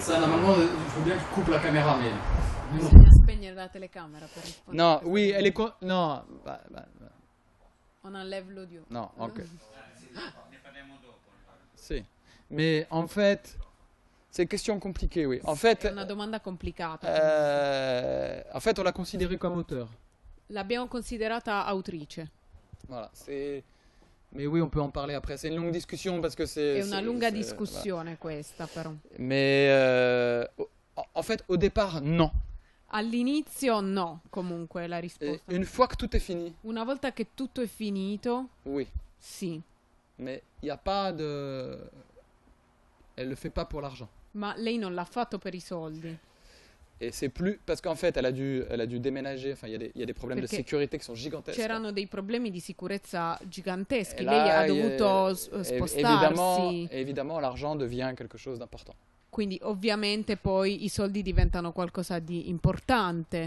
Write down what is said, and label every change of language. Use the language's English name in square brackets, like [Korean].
[French] Sanna, ma non, faut bien que tu coupes la camera, mais. [Italian] Bisogna spegnere la telecamera per rispondere. [French] No, oui, elle est quoi? Non, on enlève l'audio. Non, ok. [Italian] Ne parliamo dopo. Sì, ma [French] en fait. C'est une question compliquée, oui. En fait. [Italian] È una domanda complicata. [French] En fait, on l'a considéré comme auteur. [Italian] L'abbiamo considerata autrice. [French] Voilà, c'est. Mais oui, on peut en parler après. C'est une longue discussion parce que c'est. [Italian] È una lunga discussione questa, però. [French] Mais en fait, au départ, non. [Italian] All'inizio, no. Comunque, la risposta. [French] Une fois que tout est fini. [Italian] Una volta che tutto è finito. [French] Oui. [Italian] Sì. [French] Mais il y a pas de. Elle le fait pas pour l'argent. [Italian] Ma lei non l'ha fatto per i soldi. [French] Et c'est plus parce qu'en fait elle a dû déménager, enfin il y a des problèmes [Italian] perché [French] de sécurité qui sont gigantesques. [Italian] C'erano dei problemi di sicurezza giganteschi. Lei ha dovuto spostarsi. [French] Évidemment l'argent devient quelque chose d'important. [Italian] Quindi ovviamente poi i soldi diventano qualcosa di importante